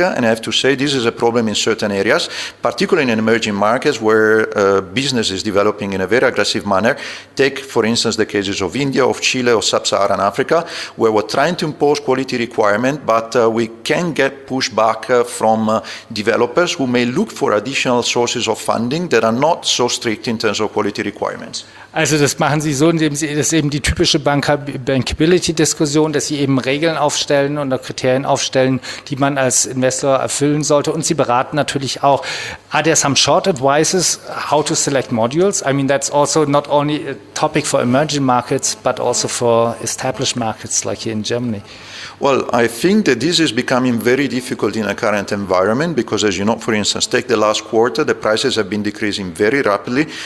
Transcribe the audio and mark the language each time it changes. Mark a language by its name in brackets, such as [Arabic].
[English] And I have to say, this is a problem in certain areas, particularly in emerging markets where business is developing in a very aggressive manner. Take, for instance, the cases of India, of Chile, or sub-Saharan Africa, where we're trying to impose quality requirement, but we can get pushback from developers who may look for additional sources of funding that are not so strict in terms of quality requirements. [German] Also das machen Sie so, indem Sie das eben die typische Bankability-Diskussion, dass Sie eben Regeln aufstellen oder Kriterien aufstellen, die man als Investor erfüllen sollte. Und Sie beraten natürlich auch, [English] are there some short advices how to select modules? I mean, that's also not only a topic for emerging markets, but also for established markets like here in Germany. Well, I think that this is becoming very difficult in a current environment because, as you know, for instance, take the last quarter, the prices have been decreasing very rapidly.